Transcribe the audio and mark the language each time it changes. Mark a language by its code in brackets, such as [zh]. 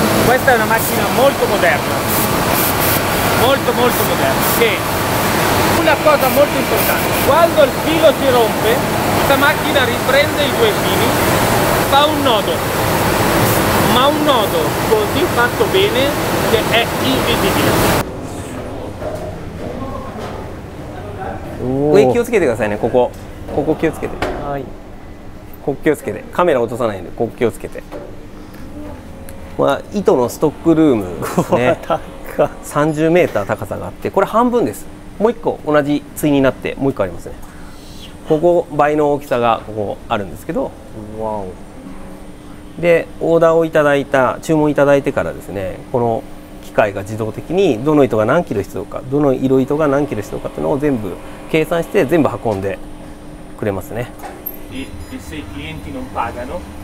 [it] Questa è una macchina molto moderna, molto molto moderna, che una cosa molto importante, quando il filo si rompe, questa macchina riprende i due fili. Fa un nodo, ma un nodo così fatto bene che è invisibile. [ja] Qui, 気をつけてくださいね。ここ、ここ気をつけて。はい。ここ気をつけて。カメラ落とさないで。ここ気をつけて。まあ糸のストックルームですね。30メーター高さがあって、これ半分です。もう一個同じ対になってもう一個ありますね。ここ倍の大きさがここあるんですけど。わお。でオーダーをいただいた注文いただいてからですね、この機械が自動的にどの糸が何キロ必要か、どの色糸が何キロ必要かというのを全部計算して全部運んでくれますね。 [it] e se i clienti non pagano